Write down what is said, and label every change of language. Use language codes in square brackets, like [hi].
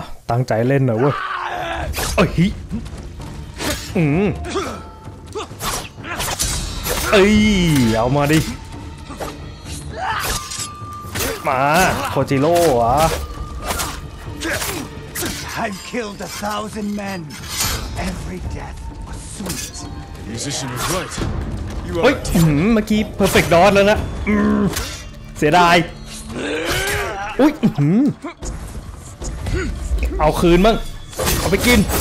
[th] ตั้งใจเล่นนะเว้ยเฮ้ยเอามาดิมาโคจิโร่วะ [en] I've killed a thousand men. Every death was sweet. The musician was right. You are. [th] เฮ้ยเมื่อกี้เพอร์เฟคดอทแล้วนะเสียดายอุ้ยเอาคืนมั้งเอาไปกิน